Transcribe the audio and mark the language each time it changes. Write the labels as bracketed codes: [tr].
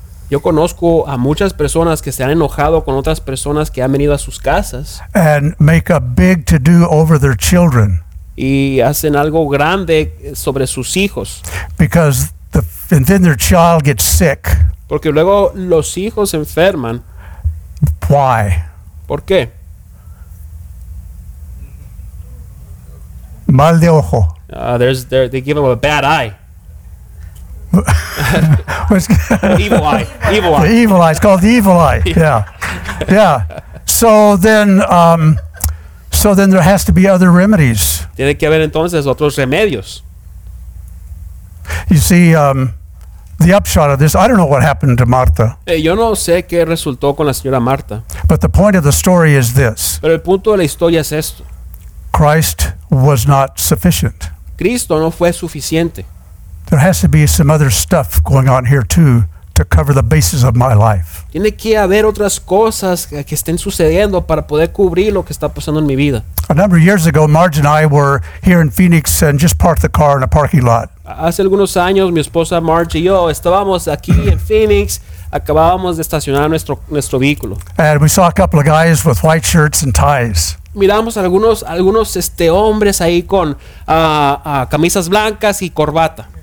[es] Yo conozco a muchas personas que se han enojado con otras personas que han venido a sus casas. [en] And make a big to-do over their children. [es] Y hacen algo grande sobre sus hijos. [en] Because the, and then their child gets sick. [es] Porque luego los hijos se enferman. [en] Why? [es] ¿Por qué? Mal de ojo. [en] They give him a bad eye. Evil eye. The evil eye. It's called the evil eye. Yeah. Yeah. So then there has to be other remedies. [es] Tiene que haber entonces otros remedios. [en] You see, the upshot of this, I don't know what happened to Martha. [es] Yo no sé qué resultó con la señora Marta. [en] But the point of the story is this. [es] Pero el punto de la historia es esto. [en] Christ was not sufficient. [es] Cristo no fue suficiente. [en] There has to be some other stuff going on here too to cover the basis of my life. [es] Tiene que haber otras cosas que estén sucediendo para poder cubrir lo que está pasando en mi vida. [en] A number of years ago, Marge and I were here in Phoenix and just parked the car in a parking lot. [es] Hace algunos años, mi esposa Marge y yo estábamos aquí en Phoenix, acabábamos de estacionar nuestro vehículo. [en] And we saw a couple of guys with white shirts and ties. [es] Miramos algunos hombres ahí con camisas blancas y corbata.